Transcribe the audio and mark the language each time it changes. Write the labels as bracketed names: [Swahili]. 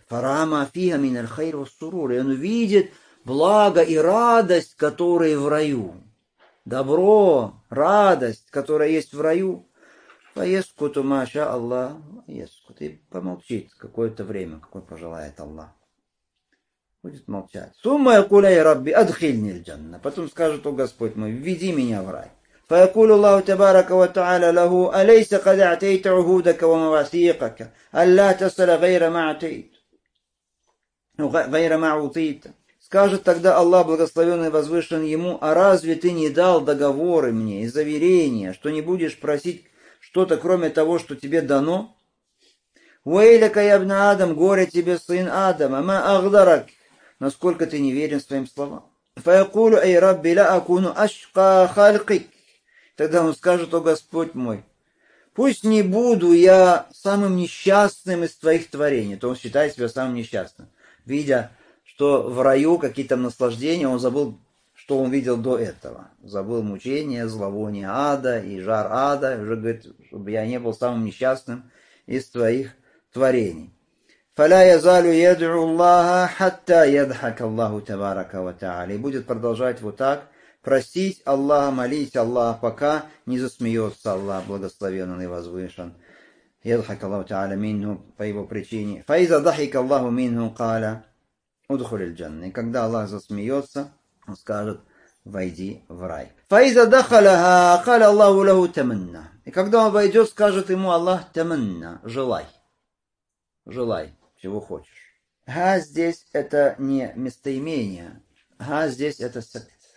[Arabic] Фарама фиха мин аль-хайр вас-сурур. [Russian] И он увидит благо и радость, которые в раю. Добро, радость, которая есть в раю. Поездку тумаша Аллах, поездку, и помолчит какое-то время, какое пожелает Аллах. Будет молчать. [Arabic] Сумма якуля и рабби, адхильни джанна. [Russian] Потом скажет, о Господь мой, введи меня в рай. [Arabic] فيقول الله تبارك وتعالى له أليس قد أعطيت عهودك ومواثيقك ألا تسأل غير ما أعطيت غير ما أعطيت. [Russian] Скажет тогда Аллах благословенный и возвышен ему, а разве ты не дал договоры мне и заверения, что не будешь просить что-то кроме того, что тебе дано? [Arabic] Уэйляка ябна Адам, [Russian] горе тебе, сын Адама, [Arabic] ма агдарак, [Russian] насколько ты не верен своим словам. [Arabic] Фаякулу ай рабби ла акуну ашка халькик. [Russian] Тогда он скажет, о Господь мой, пусть не буду я самым несчастным из твоих творений. То он считает себя самым несчастным, видя, что в раю какие-то наслаждения, он забыл, что он видел до этого. Забыл мучения, зловоние ада и жар ада. И уже говорит, чтобы я не был самым несчастным из твоих творений. [Arabic] فَلَا يَزَالُ يَدْعُ اللَّهَ حَتَّى يَدْحَكَ اللَّهُ تَبَارَكَ وَتَعَالَى. [Russian] И будет продолжать вот так. Просить Аллаха, молить Аллаха, пока не засмеется Аллах, благословенный и возвышен. [Arabic] يَدْحَكَ اللَّهُ تَعَالَى مِنْهُ [Russian] по его причине. [Arabic] فَإِذَا ضَحِكَ اللَّهُ مِنْهُ قَالَ اُدْخُلِ الْجَنَّةِ. [Russian] И когда Аллах засмеется, он скажет, войди в рай. [Arabic] فَإِذَا دَخَلَهَا قَالَ اللَّهُ لَهُ تَمَنَّى. [Russian] И когда он войдет, скажет ему Аллах, تَمَنَّى, желай. Желай, чего хочешь. Ха здесь это не местоимение. Ха здесь это сакт.